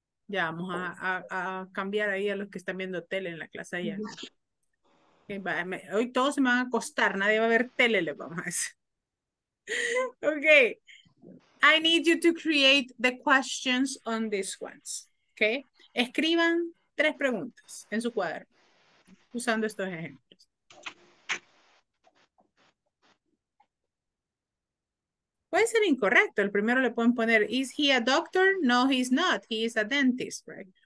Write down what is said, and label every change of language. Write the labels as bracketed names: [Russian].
[Spanish] Ya, vamos a cambiar ahí a los que están viendo tele en la clase allá. Okay, hoy todos se van a acostar, nadie va a ver tele, les vamos a decir. [English] Okay. I need you to create the questions on these ones. Okay. [Spanish] Escriban tres preguntas en su cuaderno usando estos ejemplos. Puede ser incorrecto. El primero le pueden poner, [English] is he a doctor? No, he's not. He is a dentist, right?